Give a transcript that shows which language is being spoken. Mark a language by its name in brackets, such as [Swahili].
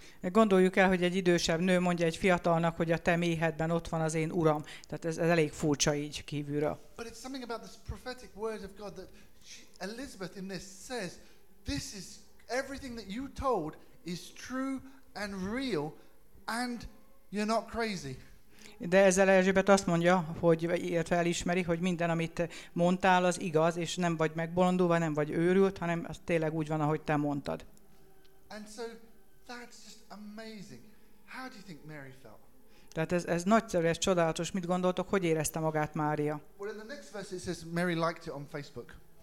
[Hungarian] Gondoljuk el, hogy egy idősebb nő mondja egy fiatalnak, hogy a te méhedben ott van az én uram. Tehát ez elég furcsa így kívülről. [English] But it's something about this prophetic word of God that Elizabeth in this says, this is everything that you told is true and real and you're not crazy. [Hungarian] De ezzel Erzsébet azt mondja, hogy illetve elismeri, hogy minden, amit mondtál, az igaz, és nem vagy megbolondulva, nem vagy őrült, hanem az tényleg úgy van, ahogy te mondtad. [English] And so that's just amazing. How do you think Mary felt? [Hungarian] Tehát ez nagyszerű, ez csodálatos. Mit gondoltok, hogy érezte magát Mária? [English] Well, in the next verse it says Mary liked it on Facebook.